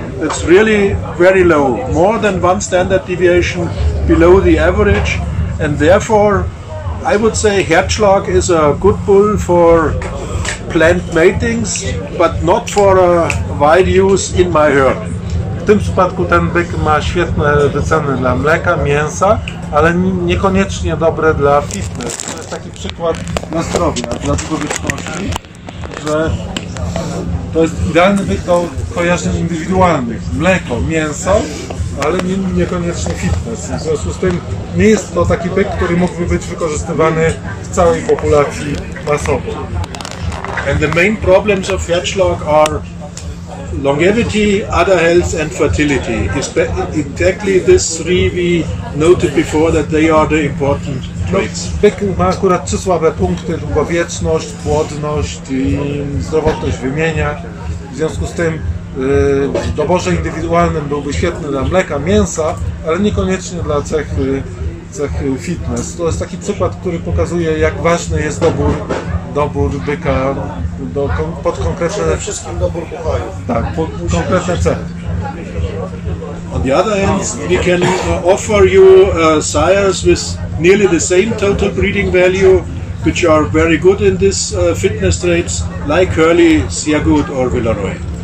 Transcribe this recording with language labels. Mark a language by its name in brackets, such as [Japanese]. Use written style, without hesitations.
[English] That's really very low, more than one standard deviation below the average, and therefore I would say Herzschlag is a good bull for plant matings, but not for a wide use in my herd. [Polish] W tym przypadku ten byk ma świetne wyceny dla mleka, mięsa, ale niekoniecznie dobre dla fitness. To jest taki przykład na zdrowie, dla skuteczności, że to jest idealny byk do kojarzeń indywidualnych. Mleko, mięso, ale niekoniecznie fitness. W związku z tym nie jest to taki byk, który mógłby być wykorzystywany w całej populacji masowo. [English] And the main problems of Herzschlag are longevity, udder health and fertility. Exactly these three we noted before that they are the important traits. [Polish] No, byk ma akurat trzy słabe punkty, długowieczność, płodność i zdrowotność wymienia. W związku z tym w doborze indywidualnym byłby świetny dla mleka, mięsa, ale niekoniecznie dla cech fitness. To jest taki przykład, który pokazuje, jak ważny jest dobór byka pod konkretne... Przede wszystkim dobór kuchaju. Tak, pod konkretne cechy. [English] On the other hand, we can offer you sires with nearly the same total breeding value, which are very good in this fitness traits, like Curly, Siagut or Villeroy.